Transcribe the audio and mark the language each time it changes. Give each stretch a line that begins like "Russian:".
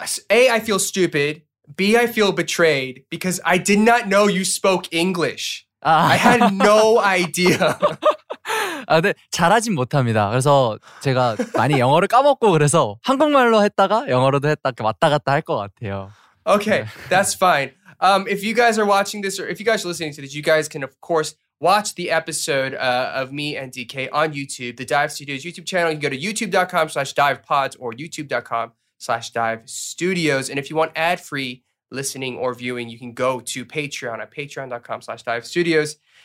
English: I feel stupid. B, I feel betrayed because I did not know you spoke English. I had no idea.
Korean: 아, 근데 잘하진 못합니다. 그래서 제가 많이 영어를 까먹고 그래서 한국말로 했다가 영어로도 했다가 왔다 갔다 할 것 같아요.
English: Okay, that's fine. If you guys are watching this or if you guys are listening to this, you guys can of course watch the episode of me and DK on YouTube, the Dive Studios YouTube channel. You can go to youtube.com/divepods or youtube.com/divestudios. And if you want ad-free listening or viewing, you can go to Patreon at patreon.com/divestudios.